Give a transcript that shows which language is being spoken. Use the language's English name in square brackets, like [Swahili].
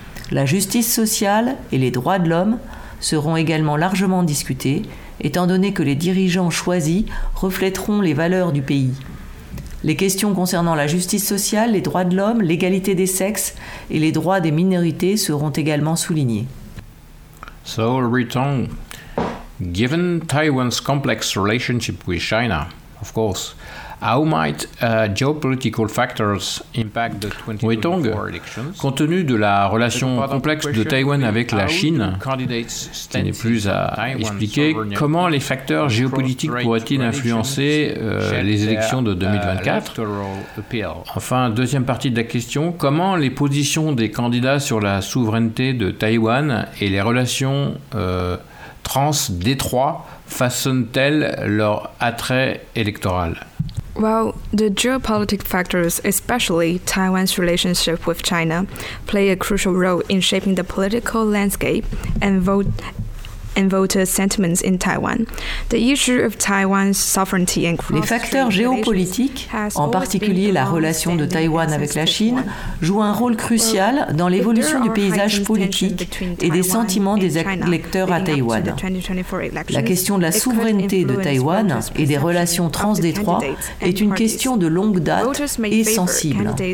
[French] La justice sociale et les droits de l'homme seront également largement discutés, étant donné que les dirigeants choisis reflèteront les valeurs du pays. Les questions concernant la justice sociale, les droits de l'homme, l'égalité des sexes et les droits des minorités seront également soulignées. [English] So, Ritong, given Taiwan's complex relationship with China, of course, how might geopolitical factors impact the 2024 elections? [French] Compte tenu de la relation complexe de Taïwan avec la Chine, qui n'est plus à expliquer, comment les facteurs géopolitiques pourraient-ils influencer les élections de 2024? Enfin, deuxième partie de la question, comment les positions des candidats sur la souveraineté de Taïwan et les relations trans-détroit façonnent-elles leur attrait électoral? [English] Well, the geopolitical factors, especially Taiwan's relationship with China, play a crucial role in shaping the political landscape and voter sentiments in Taiwan. The issue of Taiwan's sovereignty and [French] les facteurs géopolitiques, en particulier la relation de Taïwan avec la Chine, jouent un rôle crucial dans l'évolution du paysage politique et des sentiments des électeurs à Taïwan. La question de la souveraineté de Taïwan et des relations transdétroit est une question de longue date et sensible.